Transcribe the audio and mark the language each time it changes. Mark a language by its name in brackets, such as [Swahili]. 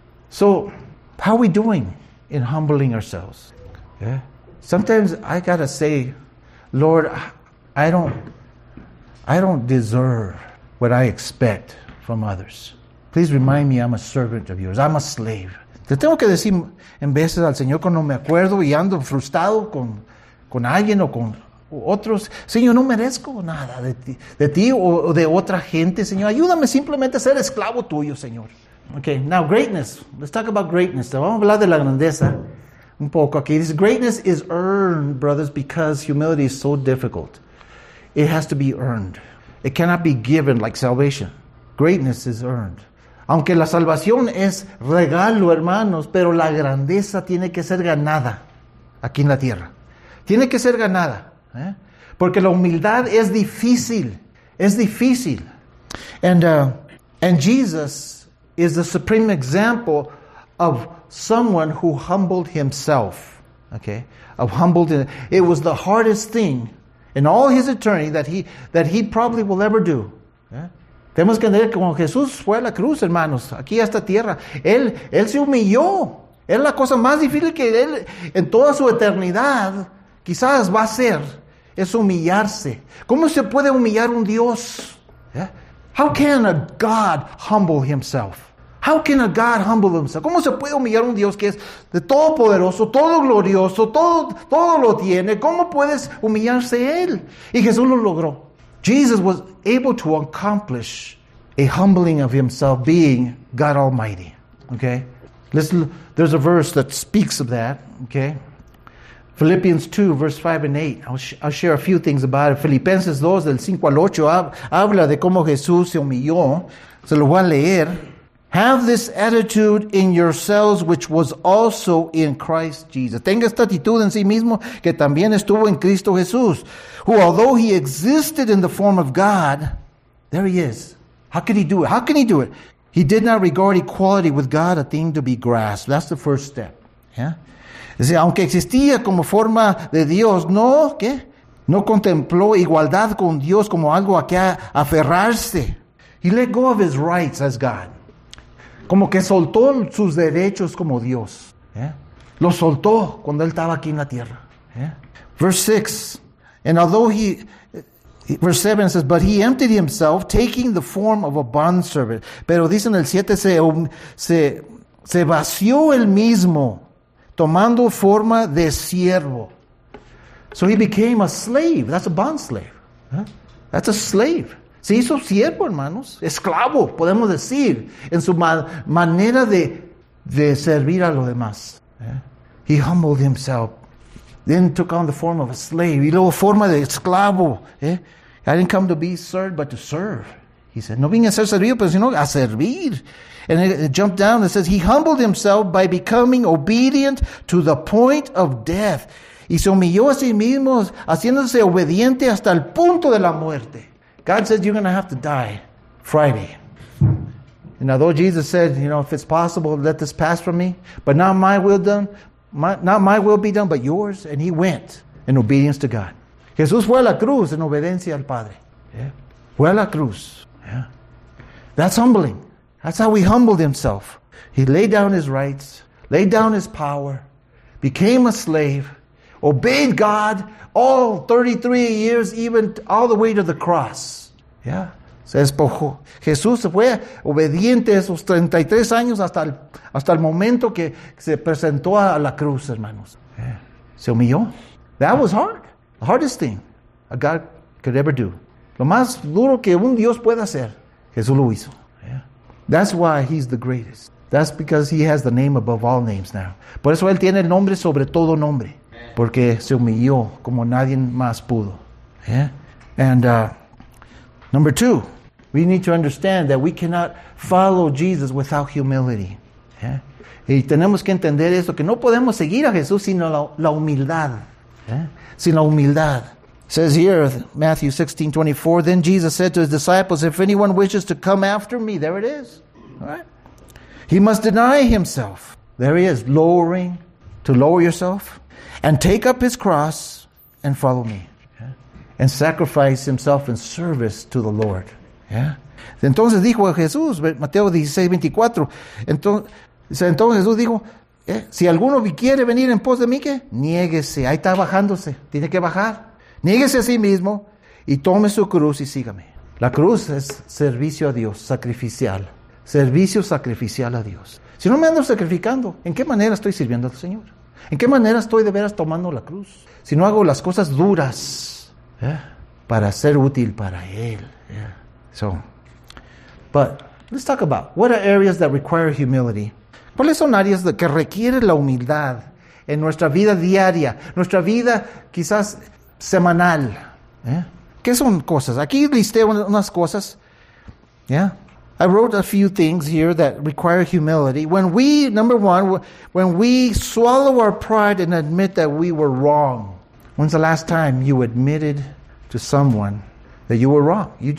[English] So, how are we doing in humbling ourselves? Sometimes I gotta say, Lord, I don't deserve what I expect from others. Please remind me I'm a servant of yours. I'm a slave. [Spanish] Te tengo que decir en veces al Señor cuando me acuerdo y ando frustrado con alguien o con otros. Señor, no merezco nada de ti o de otra gente, Señor. Ayúdame simplemente a ser esclavo tuyo, Señor. [English] Okay, now greatness. Let's talk about greatness. [Spanish] Vamos a hablar de la grandeza un poco aquí. [English] This greatness is earned, brothers, because humility is so difficult. It has to be earned. It cannot be given like salvation. Greatness is earned. [Spanish] Aunque la salvación es regalo, hermanos, pero la grandeza tiene que ser ganada aquí en la tierra. Tiene que ser ganada. Porque la humildad es difícil. Es difícil. [English] And Jesus is the supreme example of someone who humbled himself. Okay? Of humbled. It was the hardest thing in all his eternity that he probably will ever do. [Spanish] Tenemos que entender que cuando Jesús fue a la cruz, hermanos, aquí a esta tierra, él se humilló. Era la cosa más difícil que él en toda su eternidad quizás va a ser, es humillarse. ¿Cómo se puede humillar un Dios? [English] How can a God humble himself? How can a God humble himself? [Spanish] ¿Cómo se puede humillar un Dios que es de todo poderoso, todo glorioso, todo lo tiene? ¿Cómo puedes humillarse Él? Y Jesús lo logró. [English] Jesus was able to accomplish a humbling of himself being God Almighty. Okay? There's a verse that speaks of that. Okay? Philippians 2, verse 5 and 8. I'll share a few things about it. [Spanish] Filipenses 2, del 5 al 8, habla de cómo Jesús se humilló. Se lo voy a leer. [English] Have this attitude in yourselves, which was also in Christ Jesus. [Spanish] Tenga esta actitud en sí mismo, que también estuvo en Cristo Jesús. [English] Who, although he existed in the form of God, there he is. How could he do it? How can he do it? He did not regard equality with God a thing to be grasped. That's the first step. Yeah? [Spanish] Es decir, aunque existía como forma de Dios, ¿no? ¿Qué? No contempló igualdad con Dios como algo a que aferrarse. [English] He let go of his rights as God. [Spanish] Como que soltó sus derechos como Dios. Lo soltó cuando él estaba aquí en la tierra. [English] Verse 6. And although verse 7 says, but he emptied himself, taking the form of a bondservant. [Spanish] Pero dice en el 7, se vació él mismo, tomando forma de siervo. [English] So he became a slave. That's a bondslave. That's a slave. [Spanish] Se hizo siervo, hermanos, esclavo, podemos decir, en su manera de servir a los demás. [English] He humbled himself, then took on the form of a slave, [Spanish] y luego forma de esclavo. [English] I didn't come to be served, but to serve. He said, [Spanish] no vine a ser servido, pero sino a servir. [English] And it jumped down and says, he humbled himself by becoming obedient to the point of death. [Spanish] Y se humilló a sí mismo, haciéndose obediente hasta el punto de la muerte. [English] God says you're going to have to die Friday. And although Jesus said, you know, if it's possible, let this pass from me. But not my will done, not my will be done, but yours. And he went in obedience to God. [Spanish] Jesús fue a la cruz en obediencia al Padre. Fue a la cruz. [English] That's humbling. That's how he humbled himself. He laid down his rights, laid down his power, became a slave, obeyed God all 33 years, even all the way to the cross. Yeah. [Spanish] Se despojó. Jesús fue obediente esos 33 años hasta el momento que se presentó a la cruz, hermanos. [English] Yeah. [Spanish] Se humilló. [English] That was hard. The hardest thing a God could ever do. [Spanish] Lo más duro que un Dios pueda hacer. Jesús lo hizo. [English] Yeah. That's why he's the greatest. That's because he has the name above all names now. [Spanish] Por eso él tiene el nombre sobre todo nombre. Porque se humilló como nadie más pudo. Yeah. [English] And number two, we need to understand that we cannot follow Jesus without humility. Yeah. [Spanish] Y tenemos que entender eso, que no podemos seguir a Jesús sino la humildad. Yeah. Sin la humildad. [English] It says here, Matthew 16:24, then Jesus said to his disciples, if anyone wishes to come after me, there it is. Right. He must deny himself. There he is, lowering, to lower yourself, and take up his cross and follow me. And sacrifice himself in service to the Lord. [Spanish] Yeah. Entonces dijo Jesús, Mateo 16:24. Entonces Jesús dijo, si alguno quiere venir en pos de mí, ¿qué? Niéguese. Ahí está bajándose. Tiene que bajar. Niéguese a sí mismo y tome su cruz y sígame. La cruz es servicio a Dios, sacrificial. Servicio sacrificial a Dios. Si no me ando sacrificando, ¿en qué manera estoy sirviendo al Señor? ¿En qué manera estoy de veras tomando la cruz? Si no hago las cosas duras. Yeah. Para ser útil para él. Yeah. [English] So, but let's talk about what are areas that require humility. [Spanish] ¿Cuáles son áreas que requieren la humildad en nuestra vida diaria, nuestra vida quizás semanal? Yeah. ¿Qué son cosas? Aquí listé unas cosas. [English] Yeah. I wrote a few things here that require humility. When we swallow our pride and admit that we were wrong. When's the last time you admitted to someone that you were wrong?